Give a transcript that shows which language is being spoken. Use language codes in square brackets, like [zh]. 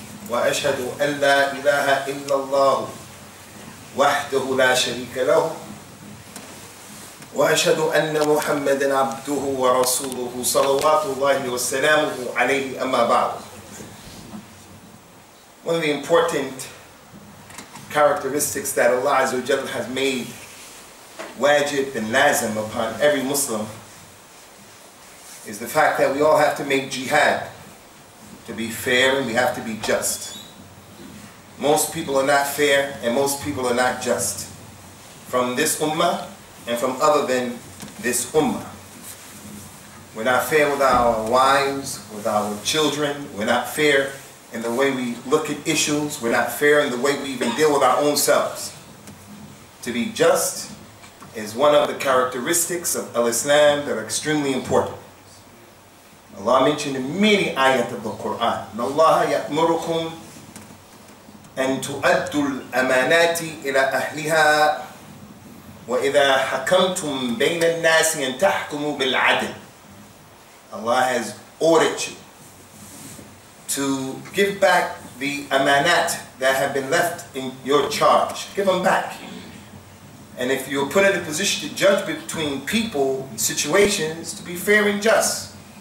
[ar] وأشهد أن لا إله إلا الله وحده لا شريك له وأشهد أن محمدا عبده ورسوله صلوات الله وسلامه عليه أما بعد. [en] One of the important characteristics that Allah Azza wa Jalla has made wajib and lazim upon every Muslim is the fact that we all have to make jihad to be fair and we have to be just. Most people are not fair and most people are not just. From this ummah and from other than this ummah. We're not fair with our wives, with our children, we're not fair in the way we look at issues, we're not fair in the way we even deal with our own selves. To be just is one of the characteristics of al-Islam that are extremely important. Allah mentioned in many ayat of the Quran, [ar] اللَّهَ يَأْمُرُكُمْ أَن تُؤَدُّوا الْأَمَانَاتِ إِلَىٰ أَهْلِهَا وَإِذَا حَكَمْتُمْ بَيْنَ النَّاسِ أَن تَحْكُمُوا بِالْعَدْلِ. [en] Allah has ordered you to give back the amanat that have been left in your charge. Give them back. And if you're put in a position to judge between people and situations, to be fair and just.